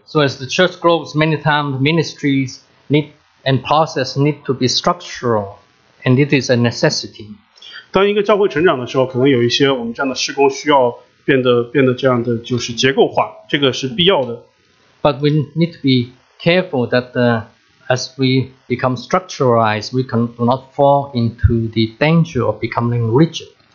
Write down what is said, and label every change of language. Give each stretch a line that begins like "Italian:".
English: So as the church grows, many times ministries need and process need to be structural, and it is a necessity.
Chinese: 当一个教会成长的时候，可能有一些我们这样的事工需要变得这样的就是结构化， 这个是必要的。
English: But we need to be careful that as we become structuralized, we can do not fall into the danger of becoming rigid.